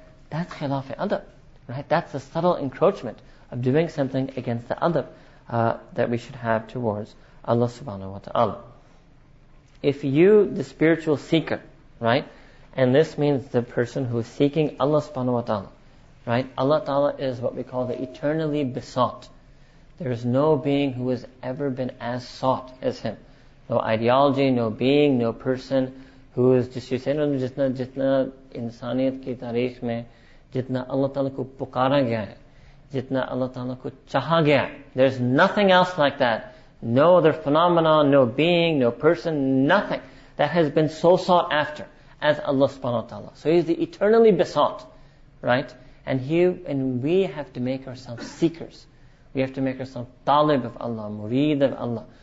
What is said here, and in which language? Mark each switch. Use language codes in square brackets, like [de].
[en] That's khilafi adab, right? That's a subtle encroachment of doing something against the adab that we should have towards Allah subhanahu wa ta'ala. If you, the spiritual seeker, right, and this means the person who is seeking Allah subhanahu wa ta'ala, right, Allah ta'ala is what we call the eternally besought. There is no being who has ever been as sought as him. No ideology, no being, no person who is just, you say, no, [ur] جتنا انسانیت کی تاریخ میں، جتنا اللہ تعالیٰ کو پکارا گیا ہے، جتنا اللہ تعالیٰ کو چاہا گیا ہے۔ [en] There's nothing else like that. No other phenomenon, no being, no person, nothing that has been so sought after as Allah subhanahu wa ta'ala. So He's the eternally besought, right? And we have to make ourselves seekers. We have to make ourselves talib of Allah, murid of Allah,